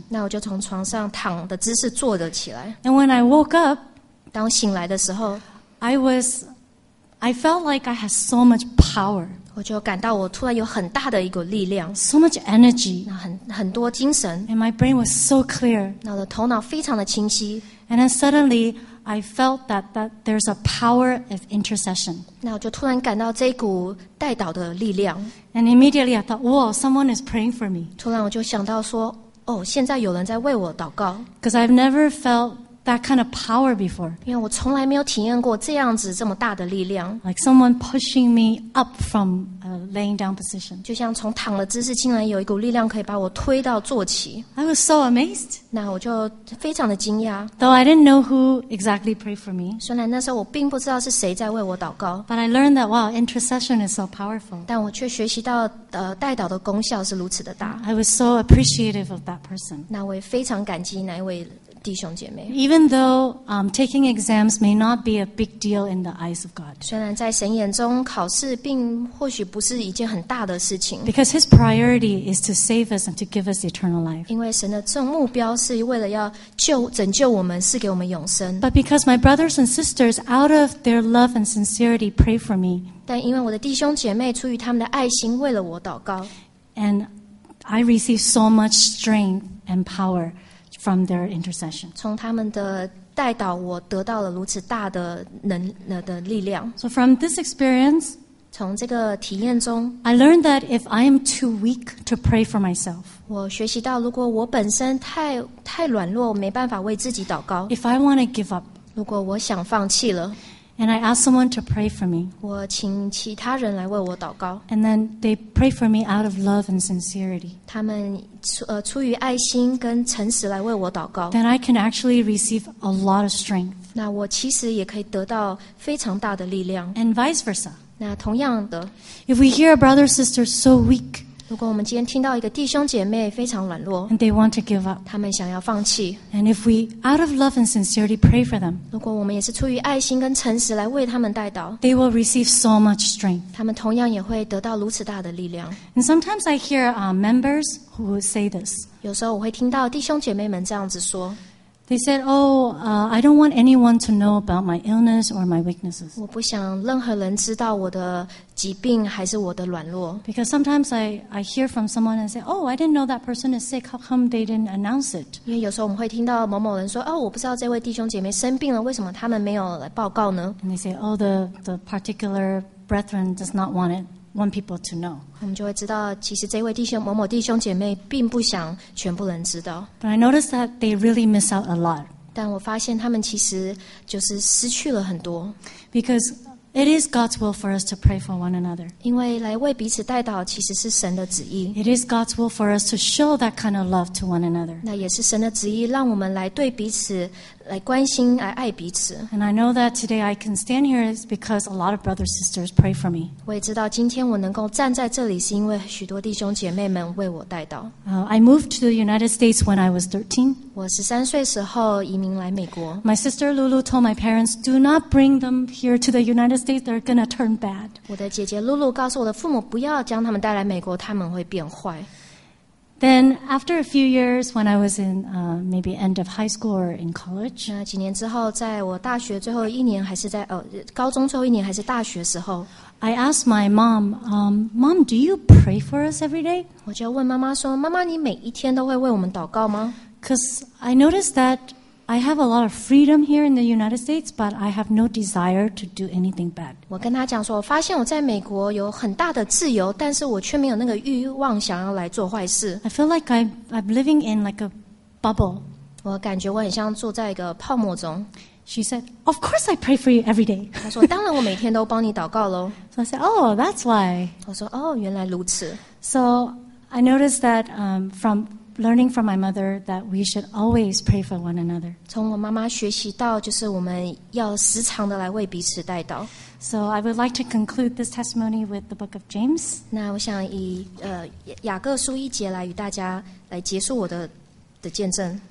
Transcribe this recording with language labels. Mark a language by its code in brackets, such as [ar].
[zh] 那我就从床上躺的姿势坐了起来 [en] And when I woke up [zh] 当我醒来的时候 [en] I felt like I had so much power [zh] 我就感到我突然有很大的一股力量 [en] So much energy [zh] 很多精神 [en] And my brain was so clear [zh] 那我的头脑非常的清晰 [en] And then suddenly I felt that there's a power of intercession [zh] 那我就突然感到这股代祷的力量 [en] And immediately I thought, whoa, someone is praying for me [zh] 突然我就想到说哦，现在有人在为我祷告 [en] Because I've never felt that kind of power before [zh] 因为我从来没有体验过这样子这么大的力量 [en] Like someone pushing me up from a laying down position [zh] 就像从躺的姿势竟然有一股力量可以把我推到坐起 [en] I was so amazed [zh] 那我就非常的惊讶 [en] Though I didn't know who exactly prayed for me [zh] 虽然那时候我并不知道是谁在为我祷告 [en] But I learned that, wow, intercession is so powerful [zh] 但我却学习到代祷的功效是如此的大 [en] I was so appreciative of that person [zh] 那我也非常感激那位 [en] Even though taking exams may not be a big deal in the eyes of God, [zh] 虽然在神眼中考试并或许不是一件很大的事情 [en] because His priority is to save us and to give us eternal life. [zh] 因为神的正目标是为了要救拯救我们，赐给我们永生 [en] But because my brothers and sisters, out of their love and sincerity, pray for me. [zh] 但因为我的弟兄姐妹出于他们的爱心为了我祷告 [en] and I receive so much strength and power. From their intercession. [zh] 从他们的代祷，我得到了如此大的的力量。 [en] So from this experience, [zh] 从这个体验中 [en] I learned that if I am too weak to pray for myself, [zh] 我学习到如果我本身太软弱，没办法为自己祷告。 [en] If I want to give up, [zh] 如果我想放弃了 [en] and I ask someone to pray for me, [zh] 我请其他人来为我祷告 [en] and then they pray for me out of love and sincerity. [zh] 他们出于爱心跟诚实来为我祷告 [en] then I can actually receive a lot of strength [zh] 那我其实也可以得到非常大的力量 [en] and vice versa [zh] 那同样的 [en] if we hear a brother or sister so weak [zh] 如果我们今天听到一个弟兄姐妹非常软弱 [en] and they want to give up [zh] 他们想要放弃 [en] and if we out of love and sincerity pray for them [zh] 如果我们也是出于爱心跟诚实来为他们代祷 [en] they will receive so much strength [zh] 他们同样也会得到如此大的力量 [en] and sometimes I hear members Who would say this? [zh] 有时候我会听到弟兄姐妹们这样子说 [en] They said, "Oh, I don't want anyone to know about my illness or my weaknesses." [zh] 我不想任何人知道我的疾病还是我的软弱 [en] Because sometimes I hear from someone and say, "Oh, I didn't know that person is sick. How come they didn't announce it?" [zh] 因为有时候我们会听到某某人说，哦，我不知道这位弟兄姐妹生病了，为什么他们没有来报告呢 [en] ？And they say, "Oh, the particular brethren does not want it." Want people to know. [zh] 我们就会知道，其实这位弟兄某某弟兄姐妹并不想全部人知道。 [en] But I noticed that they really miss out a lot. [zh] 但我发现他们其实就是失去了很多。 [en] Because it is God's will for us to pray for one another. [zh] 因为来为彼此代祷其实是神的旨意。 [en] It is God's will for us to show that kind of love to one another. [zh] 那也是神的旨意，让我们来对彼此来关心，来爱彼此。 [en] And I know that today I can stand here is because a lot of brothers and sisters pray for me. [zh] 我也知道今天我能够站在这里，是因为许多弟兄姐妹们为我代祷。 [en] I moved to the United States when I was 13. [zh] 我十三岁时候移民来美国。 [en] My sister Lulu told my parents, "Do not bring them here to the United States. They're going to turn bad." [zh] 我的姐姐 Lulu 告诉我的父母，不要将他们带来美国，他们会变坏。 [en] Then after a few years, when I was in maybe end of high school or in college, [zh] 那几年之后，在我大学最后一年，还是在高中最后一年，还是大学时候 [en] ，I asked my mom, "Mom, do you pray for us every day?" [zh] 我就问妈妈说，妈妈，你每一天都会为我们祷告吗 [en] ？Because I noticed that I have a lot of freedom here in the United States, but I have no desire to do anything bad. [zh] 我跟她讲说，我发现我在美国有很大的自由，但是我却没有那个欲望想要来做坏事。 [en] I feel like I'm living in like a bubble. [zh] 我感觉我很像住在一个泡沫中。 [en] She said, "Of course, I pray for you every day." [zh] 她说，当然我每天都帮你祷告喽。 [en] So I said, "Oh, that's why." [zh] 我说，哦，原来如此。 [en] So I noticed that from learning from my mother that we should always pray for one another. [zh] 从我妈妈学习到，就是我们要时常的来为彼此代祷。 [en] So I would like to conclude this testimony with the book of James. [zh] 那我想以雅各书一节来与大家来结束我的见证。